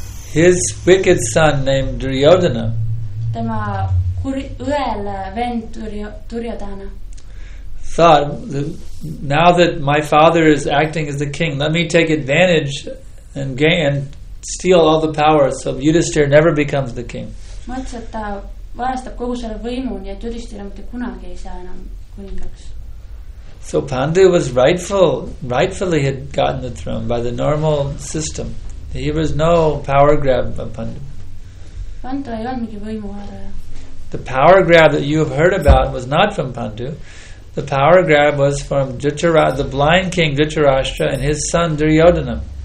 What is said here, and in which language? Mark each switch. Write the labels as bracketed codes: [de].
[en] His wicked son named Duryodhana. [et] Tema õel vend Duryodhana. [en] Thought now that my father is acting as the king, let me take advantage and gain and steal all the power so Yudhishthira never becomes the king. [et] Mõtles, et ta varastab kogu selle võimu ja Yudhishthira mitte kunagi ei saa enam kuningaks. [en] So Pandu was rightfully had gotten the throne by the normal system. He was no power grab of Pandu. The power grab that you have heard about was not from Pandu. The power grab was from the blind king Dhritarashtra and his son Duryodhana.